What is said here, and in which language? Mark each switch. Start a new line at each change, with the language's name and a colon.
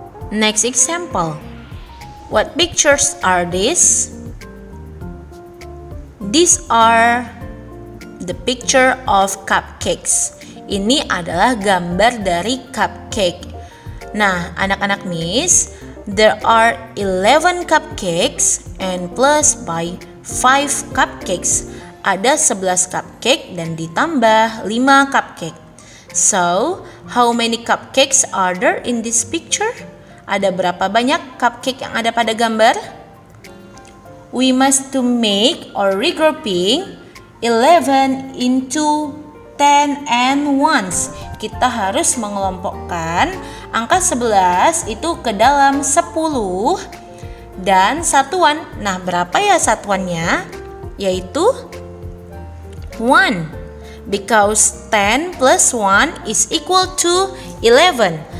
English: Next example. What pictures are these? These are the picture of cupcakes.
Indonesian: Ini adalah gambar dari cupcake.
English: Nah, anak-anak Miss, there are 11 cupcakes and plus by 5 cupcakes.
Indonesian: Ada 11 cupcake dan ditambah 5 cupcake.
English: So, how many cupcakes are there in this picture?
Indonesian: Ada berapa banyak cupcake yang ada pada gambar?
English: We must to make or regrouping 11 into 10 and 1.
Indonesian: Kita harus mengelompokkan angka 11 itu ke dalam 10 dan satuan. Nah, berapa ya satuannya? Yaitu 1.
English: Because 10 plus 1 is equal to 11.